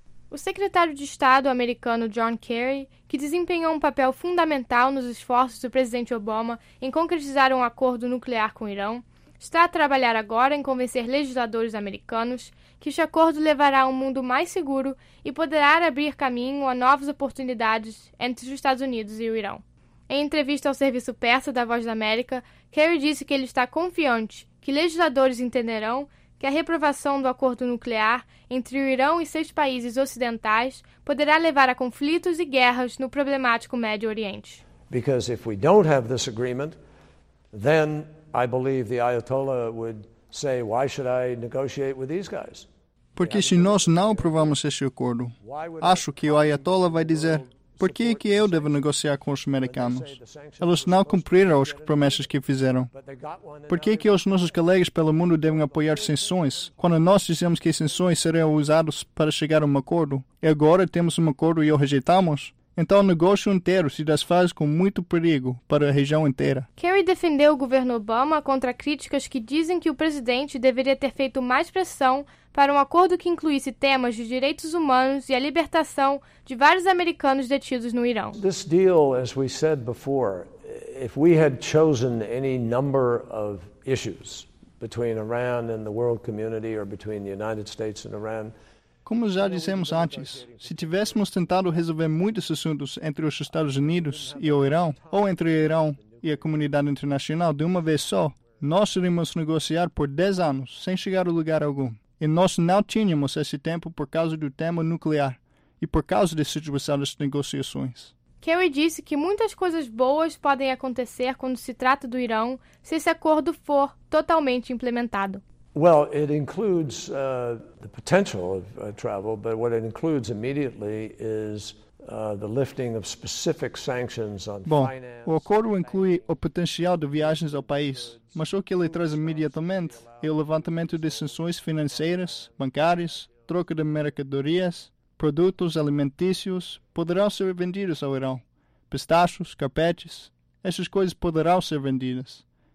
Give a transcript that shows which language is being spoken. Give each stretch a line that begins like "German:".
Portuguese: O secretário de Estado americano John Kerry, que desempenhou um papel fundamental nos esforços do presidente Obama em concretizar um acordo nuclear com o Irã, está a trabalhar agora em convencer legisladores americanos que este acordo levará a um mundo mais seguro e poderá abrir caminho a novas oportunidades entre os Estados Unidos e o Irã. Em entrevista ao serviço persa da Voz da América, Kerry disse que ele está confiante que legisladores entenderão que a reprovação do acordo nuclear entre o Irã e 6 países ocidentais poderá levar a conflitos e guerras no problemático Médio Oriente.
English: Because if we don't have this agreement, then I believe the Ayatollah would say, why should I negotiate with these guys?
Portuguese: Porque se nós não aprovarmos este acordo, acho que o Ayatollah vai dizer, por que é que eu devo negociar com os americanos? Eles não cumpriram as promessas que fizeram. Por que é que os nossos colegas pelo mundo devem apoiar sanções, quando nós dizemos que sanções seriam usadas para chegar a um acordo, e agora temos um acordo e o rejeitamos? Então o negócio inteiro se desfaz com muito perigo para a região inteira. Kerry defendeu o governo Obama contra críticas que dizem que o presidente deveria ter feito mais pressão para um acordo que incluísse temas de direitos humanos e a libertação de vários americanos detidos no Irã.
English: This deal, as we said before, if we had chosen any number of issues between Iran and the world community or between the United States and Iran.
Portuguese: Como já dissemos antes, se tivéssemos tentado resolver muitos assuntos entre os Estados Unidos e o Irã, ou entre o Irã e a comunidade internacional de uma vez só, nós iríamos negociar por 10 anos sem chegar a lugar algum. E nós não tínhamos esse tempo por causa do tema nuclear e por causa da situação das negociações. Kerry disse que muitas coisas boas podem acontecer quando se trata do Irã se esse acordo for totalmente implementado.
English: Well, it includes the potential of travel, but what it includes immediately is the lifting of specific sanctions on finance.
Portuguese: Bom, o acordo inclui o potencial de viagens ao país, mas o que ele traz imediatamente é o levantamento de sanções financeiras, bancárias, troca de mercadorias, produtos alimentícios poderão ser vendidos ao Irã. Pistachos, carpetes, essas coisas poderão ser vendidas.